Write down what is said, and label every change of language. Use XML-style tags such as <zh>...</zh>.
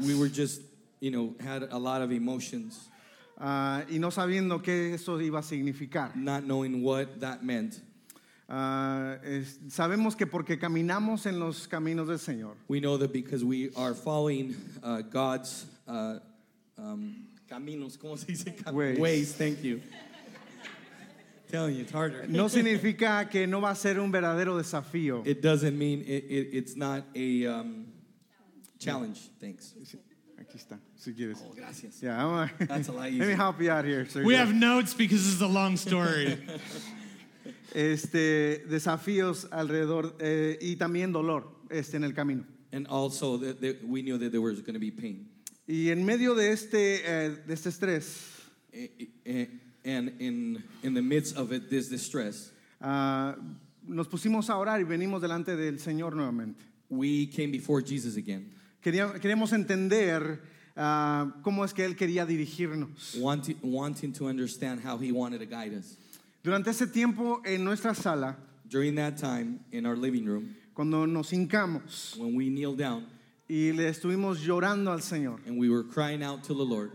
<en>We were just, you know, had a lot of emotions,</en> <es>y no sabiendo qué eso iba a significar,</es> <en>not knowing what that meant.</en> <es>Sabemos que porque caminamos en los caminos del Señor.</es> <en>We know that because we are following God's</en> <es>caminos, ¿cómo se dice?</es> <en>Ways, thank you. Telling you, it's harder.</en> <es>No significa que no va a ser un verdadero desafío.</es> <en>It doesn't mean it's not a challenge. Thanks.</en> <es>Aquí está. Si quieres. Oh, gracias.</es> <en>Yeah, that's a lot easier. Let me help you out here. So we have notes because this is a long story.</en> <es>Desafíos alrededor y también dolor en el camino.</es> <en>And also we knew that there was going to be pain.</en> <es>Y en medio de este estrés,</es> <en>and in the midst of it, this distress,</en> <es>nos pusimos a orar y venimos delante del Señor nuevamente.</es> <en>We came before Jesus again.</en> <es>Queremos entender cómo es que él quería dirigirnos.</es> <en>Wanting to understand how he wanted to guide us.</en> <es>Durante ese tiempo en nuestra sala,</es> <en>during that time in our living room,</en> <es>cuando nos hincamos,</es> <en>when we kneeled down,</en> <es>y le estuvimos llorando al Señor,</es> <en>and we were crying out to the Lord,</en>